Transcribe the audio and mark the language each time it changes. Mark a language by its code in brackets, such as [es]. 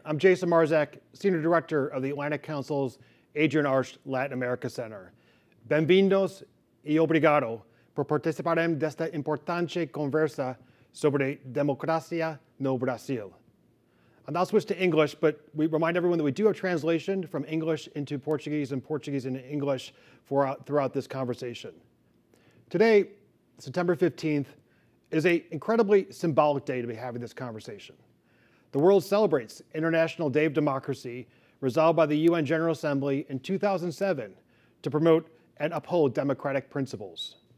[en] I'm Jason Marzak, Senior Director of the Atlantic Council's Adrian Arsch Latin America Center. [es] Bienvenidos y [pt] obrigado por participar en esta importante conversa sobre democracia no Brasil. [en] I'll now switch to English, but we remind everyone that we do have translation from English into Portuguese and Portuguese into English throughout this conversation. Today, September 15th, is an incredibly symbolic day to be having this conversation. The world celebrates International Day of Democracy, resolved by the UN General Assembly in 2007 to promote and uphold democratic principles.